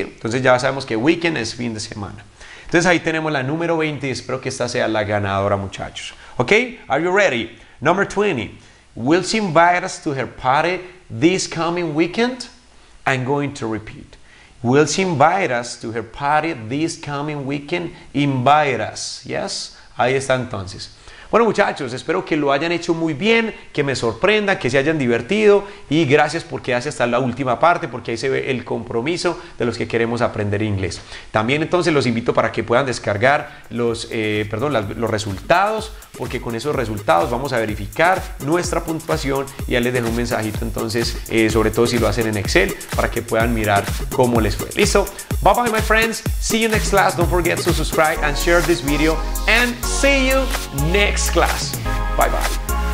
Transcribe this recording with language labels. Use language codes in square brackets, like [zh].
[es] Entonces ya sabemos que weekend es fin de semana. Entonces ahí tenemos la número 20 y espero que esta sea la ganadora, muchachos. [en] ¿Ok? Are you ready? Number 20. Will she invite us to her party this coming weekend? I'm going to repeat. Will she invite us to her party this coming weekend? Invite us. Yes? [es] Ahí está entonces. Bueno, muchachos, espero que lo hayan hecho muy bien, que me sorprendan, que se hayan divertido y gracias por quedarse hasta la última parte porque ahí se ve el compromiso de los que queremos aprender inglés. También entonces los invito para que puedan descargar los resultados porque con esos resultados vamos a verificar nuestra puntuación y ya les dejo un mensajito entonces, sobre todo si lo hacen en Excel, para que puedan mirar cómo les fue. ¿Listo? [en] Bye bye, my friends. See you next class. Don't forget to subscribe and share this video. And see you next class. Bye bye.